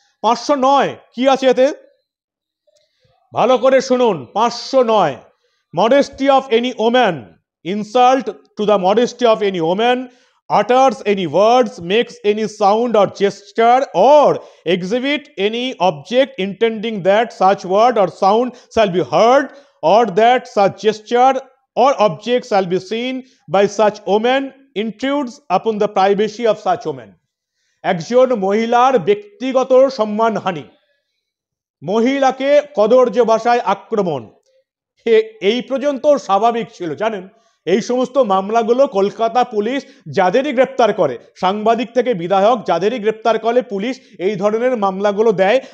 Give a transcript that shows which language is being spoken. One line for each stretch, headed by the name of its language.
English: 509
Bangla: কি আছে এতে? ভালো করে শুনুন,
English: 509 modesty of any woman insult to the modesty of any woman utters any words makes any sound or gesture or exhibit any object intending that such word or sound shall be heard or that such gesture or object shall be seen by such woman intrudes upon the privacy of such woman.
Bangla: একজন মহিলার ব্যক্তিগত সম্মানহানি, মহিলাকে কদর্য ভাষায় আক্রমণ, এই পর্যন্ত স্বাভাবিক ছিল। জানেন এই সমস্ত মামলাগুলো কলকাতা পুলিশ যাদেরই গ্রেপ্তার করে, সাংবাদিক থেকে বিধায়ক যাদেরই গ্রেপ্তার করে পুলিশ এই ধরনের মামলাগুলো দেয়।